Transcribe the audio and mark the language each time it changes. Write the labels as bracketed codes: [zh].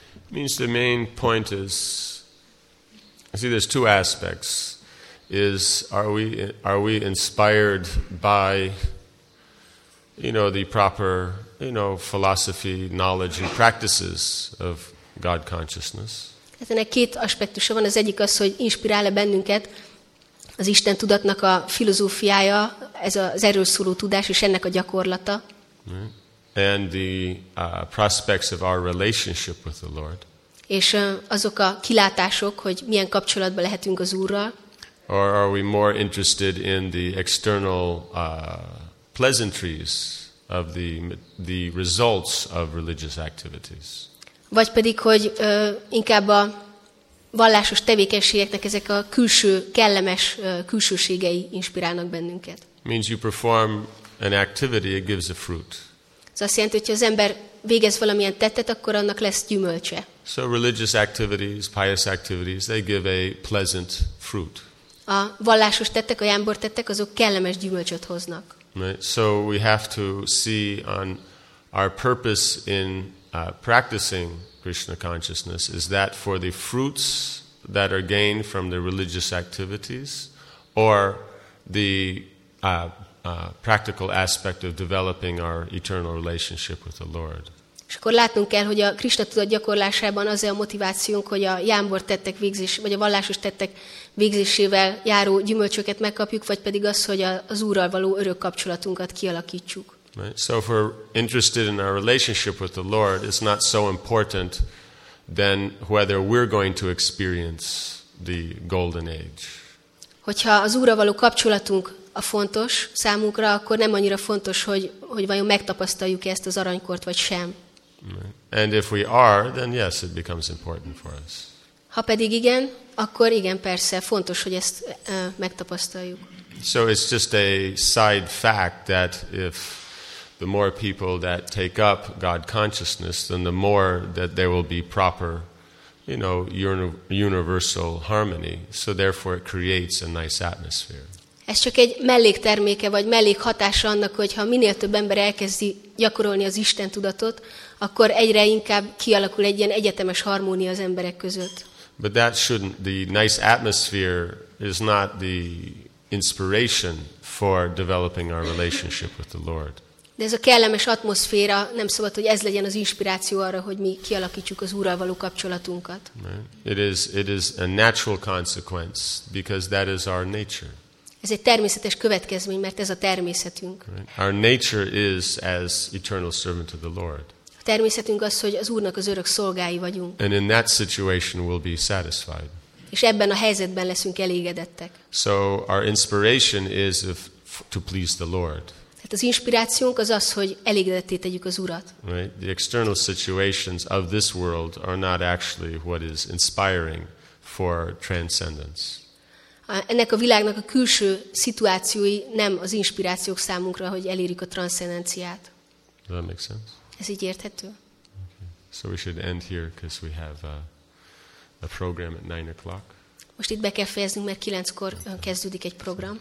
[en] Means the main point is, I see there's two aspects. Is are we inspired by, you know, the proper, you know, philosophy, knowledge and practices of God consciousness? [hu] Hát ennek két aspektusa van. Az egyik az, hogy inspirál-e bennünket az Isten tudatnak a filozófiája, ez az erről szóló tudás és ennek a gyakorlata. [en] And the prospects of our relationship with the Lord. [hu] És azok a kilátások, hogy milyen kapcsolatban lehetünk az Úrral. [en] Or are we more interested in the external pleasantries of the results of religious activities? [hu] Vagy pedig, hogy inkább a vallásos tevékenységeknek ezek a külső kellemes külsőségei inspirálnak bennünket. [en] Means you perform an activity, it gives a fruit. [hu] Ez azt jelenti, hogy az ember végez valamilyen tettet, akkor annak lesz gyümölcse. [en] So religious activities, pious activities, they give a pleasant fruit. [hu] A vallásos tettek, a jámbor tettek, azok kellemes gyümölcsöt hoznak. [en] Right. So we have to see on our purpose in practicing Krishna consciousness is that for the fruits that are gained from the religious activities or the practical aspect of developing our eternal relationship with the Lord. [hu] És akkor látnunk kell, hogy a Krisna tudat gyakorlásában az a motivációnk, hogy a jámbor tettek végzés, vagy a vallásos tettek végzésével járó gyümölcsöket megkapjuk, vagy pedig az, hogy az Úrral való örök kapcsolatunkat kialakítsuk. [en] Right. So if we're interested in our relationship with the Lord, it's not so important then whether we're going to experience the golden age. [hu] Hogyha az Úrral való kapcsolatunk a fontos számunkra, akkor nem annyira fontos, hogy vajon megtapasztaljuk ezt az aranykort, vagy sem. [en] And if we are, then yes, it becomes important for us. [hu] Ha pedig igen, akkor igen, persze, fontos, hogy ezt megtapasztaljuk. [en] So it's just a side fact that if the more people that take up God consciousness, then the more that there will be proper, you know, universal harmony. So therefore it creates a nice atmosphere. [hu] Ez csak egy mellékterméke vagy mellékhatása annak, hogy ha minél több ember elkezdi gyakorolni az Isten tudatot, akkor egyre inkább kialakul egy ilyen egyetemes harmónia az emberek között. [en] But that shouldn't, the nice atmosphere is not the inspiration for developing our relationship with the Lord. [hu] De ez a kellemes atmoszféra nem szabad, hogy ez legyen az inspiráció arra, hogy mi kialakítsuk az Úrral való kapcsolatunkat. [en] It is a natural consequence because that is our nature. [hu] Ez egy természetes következmény, mert ez a természetünk. [en] Our nature is as eternal servant of the Lord. [hu] A természetünk az, hogy az Úrnak az örök szolgái vagyunk. [en] And in that situation we'll be satisfied. [hu] És ebben a helyzetben leszünk elégedettek. [en] So our inspiration is to please the Lord. [hu] Tehát az inspirációnk az az, hogy elégedetté tegyük az Urat. [en] Right? The external situations of this world are not actually what is inspiring for transcendence. [hu] Ennek a világnak a külső szituációi nem az inspirációk számunkra, hogy elérjük a transzcendenciát. [en] Does that make sense? [hu] Ez így érthető? [en] Okay. So we should end here because we have a program at 9:00. [hu] Most itt be kell fejeznünk, mert 9-kor kezdődik egy program.